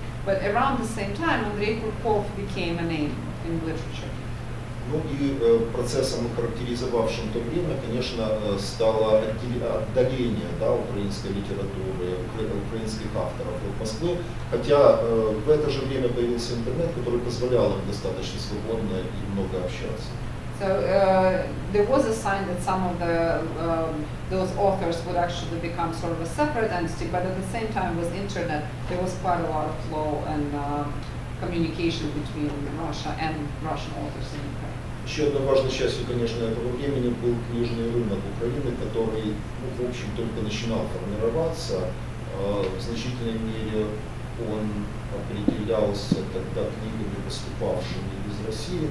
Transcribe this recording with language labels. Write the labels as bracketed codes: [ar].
[en] But around the same time, Andrei Kurkov became a name in literature. [ru] Ну и процессом, характеризовавшим то время, конечно, стало отдаление, да, украинской литературы, украинских авторов от Москвы. Хотя в это же время появился интернет, который позволял им достаточно свободно и много общаться. [en] So there was a sign that some of the those authors would actually become sort of a separate entity, but at the same time with internet, there was quite a lot of flow and communication between Russia and Russian authors in Ukraine. [ru] Еще одной важной частью, конечно, этого времени был книжный рынок Украины, который, ну, в общем, только начинал формироваться. В значительной мере он определялся тогда книгами, поступавшими из России.